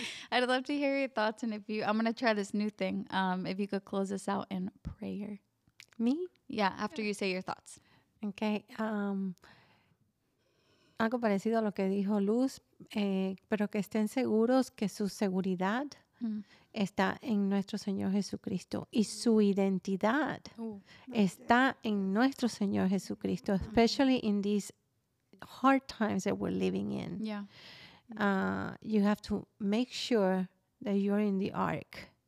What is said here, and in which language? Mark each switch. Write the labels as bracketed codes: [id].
[en] I'd love to hear your thoughts. And I'm going to try this new thing. If you could close us out in prayer. Me? Yeah, after you say your thoughts. Okay. [es] Algo parecido a lo que dijo Luz, pero que estén seguros que su seguridad está en nuestro Señor Jesucristo, y su identidad está en nuestro Señor Jesucristo, [en] especially in these hard times that we're living in. Yeah. You have to make sure that you're in the ark.